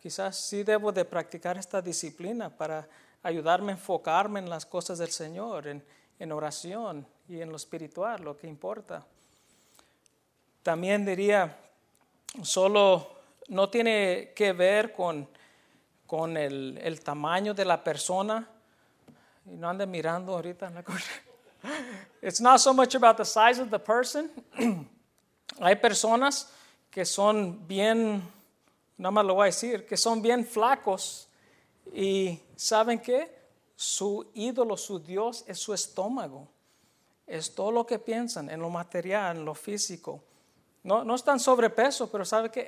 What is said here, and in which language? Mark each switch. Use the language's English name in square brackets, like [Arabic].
[Spanish] Quizás sí debo de practicar esta disciplina para ayudarme a enfocarme en las cosas del Señor, en oración y en lo espiritual, lo que importa. También diría, solo no tiene que ver con el tamaño de la persona. Y no ande mirando ahorita en la corte. [English] It's not so much about the size of the person. [Spanish] Hay personas que son bien, nada más lo voy a decir, que son bien flacos. Y ¿saben qué? Su ídolo, su Dios es su estómago. Es todo lo que piensan en lo material, en lo físico. No están sobrepeso, pero ¿sabe qué?